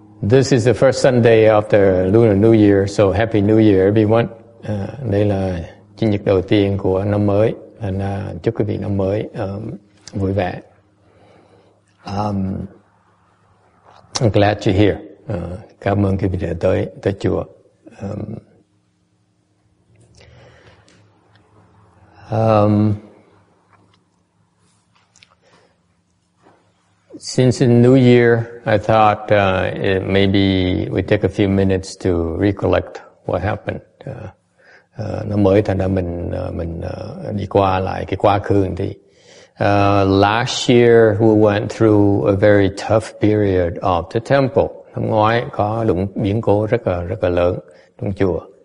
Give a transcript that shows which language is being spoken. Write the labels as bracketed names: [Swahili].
[English] This is the first Sunday after Lunar New Year, so Happy New Year, everyone. [Vietnamese] Đây là chủ nhật đầu tiên của năm mới, and chúc quý vị năm mới vui vẻ. [English] I'm glad you're here. [Vietnamese] Cảm ơn quý vị đã tới chùa. [English] Since the new year, I thought maybe we take a few minutes to recollect what happened. [Vietnamese] Năm mới thành ra mình đi qua lại cái quá khứ thì [English] last year we went through a very tough period of the temple. [Vietnamese] Năm ngoái có đụng biến cố rất là lớn trong chùa.